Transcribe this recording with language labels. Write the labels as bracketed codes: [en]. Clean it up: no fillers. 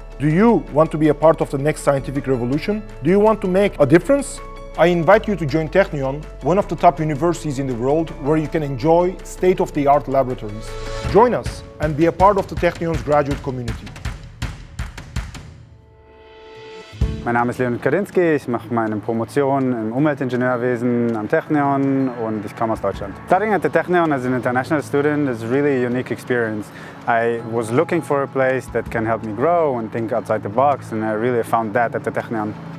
[en] Do you want to be a part of the next scientific revolution? Do you want to make a difference? I invite you to join Technion, one of the top universities in the world, where you can enjoy state-of-the-art laboratories. Join us and be a part of the Technion's graduate community. [de] Mein Name ist Leonid Kadinsky, ich mache meine Promotion im Umweltingenieurwesen am Technion und ich komme aus Deutschland. [en] Studying at the Technion as an international student is really a unique experience. I was looking for a place that can help me grow and think outside the box, and I really found that at the Technion.